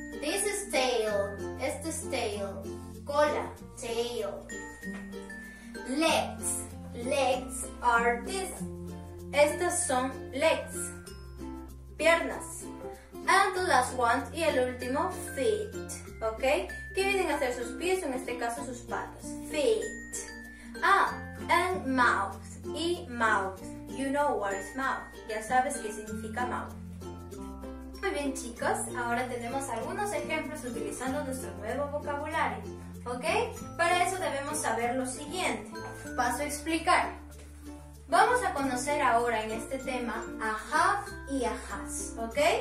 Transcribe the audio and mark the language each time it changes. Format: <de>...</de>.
<en>This is tail.</en> <es>Esto es</es> <en>tail.</en> <es>Cola.</es> <en>Tail. Legs. Legs are this.</en> <es>Estas son</es> <en>legs.</en> <es>Piernas.</es> <en>And the last one.</en> <es>Y el último, feet. ¿Ok? ¿Qué vienen a hacer sus pies? En este caso, sus patas. Feet. Ah,</es> <en>and mouth. Y mouth. You know what is mouth.</en> <es>Ya sabes qué significa</es> <en>mouth.</en> <es>Muy bien, chicos, ahora tenemos algunos ejemplos utilizando nuestro nuevo vocabulario, ¿ok? Para eso debemos saber lo siguiente. Paso a explicar. Vamos a conocer ahora en este tema a have y a has, ¿ok?</es>